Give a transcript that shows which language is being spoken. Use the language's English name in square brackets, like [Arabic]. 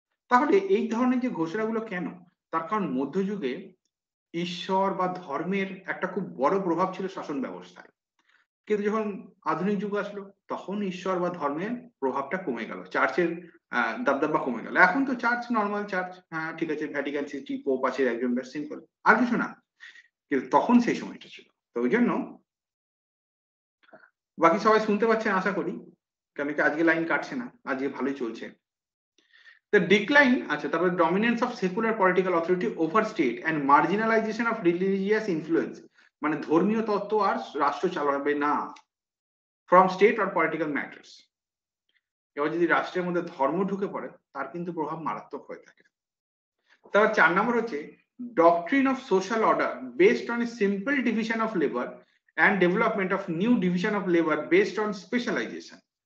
[Bangla] তাহলে এই ধরনের যে ঘোষণাগুলো কেন, তার কারণ মধ্যযুগে ঈশ্বর বা ধর্মের একটা খুব বড় প্রভাব ছিল শাসন ব্যবস্থায়, কিন্তু যখন আধুনিক যুগ আসলো তখন ঈশ্বর বা ধর্মের প্রভাবটা কমে গেল, চার্চের দাবদাবা কমে গেল। এখন তো চার্চ নর্মাল চার্চ, হ্যাঁ ঠিক আছে, ভ্যাটিকান সিটি পোপ আছে একজন, ব্যাস সিম্পল, আর কিছু না, কিন্তু তখন সেই সময়টা ছিল। তো ওই জন্য বাকি সবাই শুনতে পাচ্ছেন আশা করি, কেন কি আজকে লাইন কাটছে না, আজকে ভালোই চলছে। [English] The decline, আচ্ছা, তারপরে dominance of secular political authority over state and marginalization of religious influence, [Bangla] মানে ধর্মীয় তত্ত্ব আর রাষ্ট্র চালাবে না, [English] from state or political matters. [Bangla] এবার যদি রাষ্ট্রের মধ্যে ধর্ম ঢুকে পড়ে তার কিন্তু প্রভাব মারাত্মক হয়ে থাকে। তারপর চার নম্বর হচ্ছে [English] doctrine of social order based on a simple division of labor and development of new division of labor based on specialization.